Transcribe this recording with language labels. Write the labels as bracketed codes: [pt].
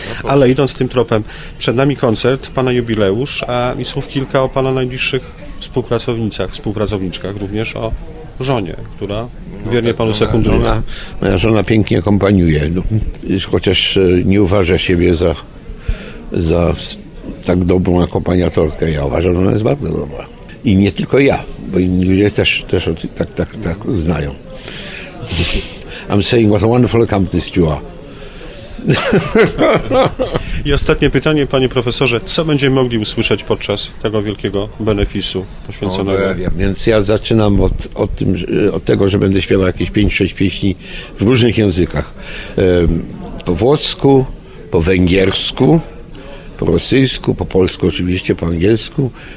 [pl] Ale idąc tym tropem, przed nami koncert, pana jubileusz, a mi słów kilka o pana najbliższych współpracownicach, współpracowniczkach, również o żonie, która wiernie panu sekunduje. Moja żona pięknie akompaniuje, no, chociaż nie uważa siebie za tak dobrą akompaniatorkę. Ja uważam, że ona jest bardzo dobra. I nie tylko ja, bo inni ludzie też tak znają. [en] I'm saying what a wonderful accompanist you are. [pl] I ostatnie pytanie, panie profesorze, co będziemy mogli usłyszeć podczas tego wielkiego benefisu poświęconego? No, więc ja zaczynam od tego, że będę śpiewał jakieś 5-6 pieśni w różnych językach. Po włosku, po węgiersku, po rosyjsku, po polsku oczywiście, po angielsku.